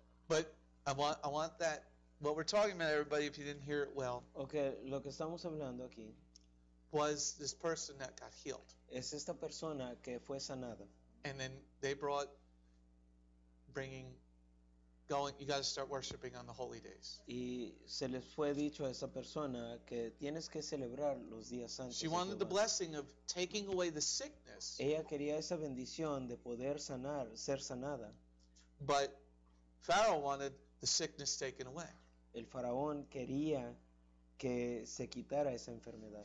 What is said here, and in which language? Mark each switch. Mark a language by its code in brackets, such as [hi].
[en] But I want that, what we're talking about, everybody, if you didn't hear it well. [es] Okay, lo que estamos hablando aquí. [en] Was this person that got healed. [es] Es esta persona que fue sanada. [en] And then they brought, you got to start worshiping on the holy days. [es] Y se les fue dicho a esa persona que tienes que celebrar los días santos. [en] She wanted the blessing of taking away the sickness. [es] Ella quería esa bendición de poder sanar, ser sanada. [en] But Pharaoh wanted the sickness taken away. [es] El faraón quería que se quitara esa enfermedad.